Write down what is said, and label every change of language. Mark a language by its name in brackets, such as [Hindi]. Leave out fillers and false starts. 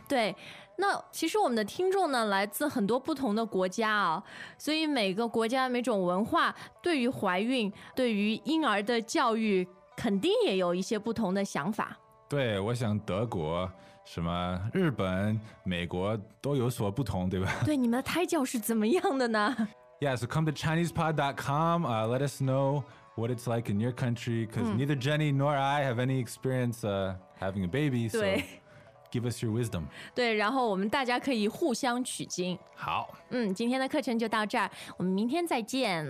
[Chinese] 对，那其实我们的听众呢来自很多不同的国家啊，所以每个国家每种文化对于怀孕对于婴儿的教育肯定也有一些不同的想法。对，我想德国什么日本美国都有所不同，对吧？对，你们的胎教是怎么样的呢？ [English] Yeah, so come to ChinesePod.com, let us know what it's like in your country, because neither Jenny nor I have any experience having a baby, so give us your wisdom. [Chinese] 对，然后我们大家可以互相取经。好，今天的课程就到这儿，我们明天再见。